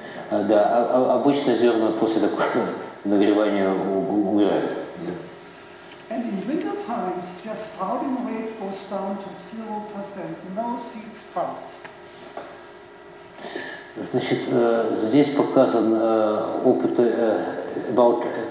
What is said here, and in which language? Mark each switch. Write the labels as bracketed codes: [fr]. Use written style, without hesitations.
[ru] Да, обычно зерна после такого нагревания умирают. [en] And in winter times, their sprouting rate goes down to 0%. No seeds sprout. [ru] Значит, здесь показан опыт about.